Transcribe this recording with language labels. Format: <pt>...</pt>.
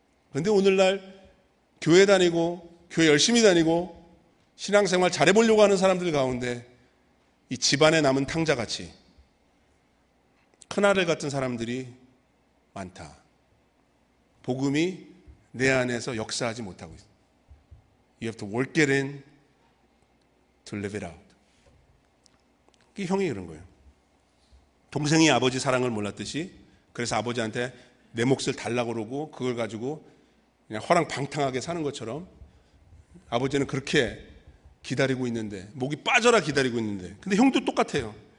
<ko>그런데 오늘날 교회 다니고 교회 열심히 다니고 신앙생활 잘해보려고 하는 사람들 가운데 이 집안에 남은 탕자같이 큰아들 같은 사람들이 많다. 복음이 내 안에서 역사하지 못하고 있어.</ko> <en>You have to work it in to live it out.</en> <ko>이게 형이 그런 거예요. 동생이 아버지 사랑을 몰랐듯이 그래서 아버지한테 내 몫을 달라고 그러고 그걸 가지고 그냥 허랑방탕하게 사는 것처럼 아버지는 그렇게 기다리고 있는데 목이 빠져라 기다리고 있는데 근데 형도 똑같아요.</ko>